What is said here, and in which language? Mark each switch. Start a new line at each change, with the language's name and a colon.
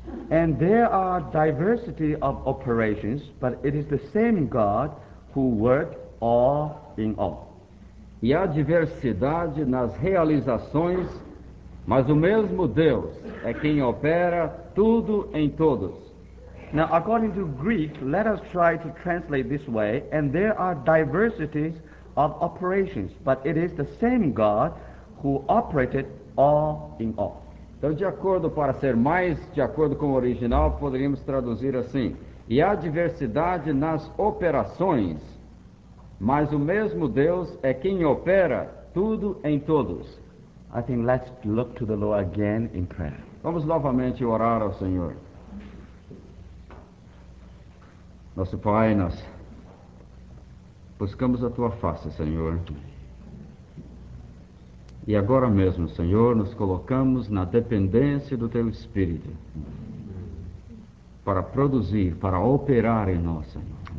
English: And there are diversity of operations, but it is the same God who works all in all.
Portuguese: E há diversidade nas realizações, mas o mesmo Deus é quem opera tudo em todos.
English: Now, according to Greek, let us try to translate this way, and there are diversities of operations, but it is the same God who operated all in all.
Portuguese: Então, de acordo, para ser mais de acordo com o original, poderíamos traduzir assim: e há diversidade nas operações, mas o mesmo Deus é quem opera tudo em todos.
English: I think let's look to the Lord again in prayer.
Portuguese: Vamos novamente orar ao Senhor. Nosso Pai, nós buscamos a Tua face, Senhor. E agora mesmo, Senhor, nos colocamos na dependência do Teu Espírito para produzir, para operar em nós, Senhor.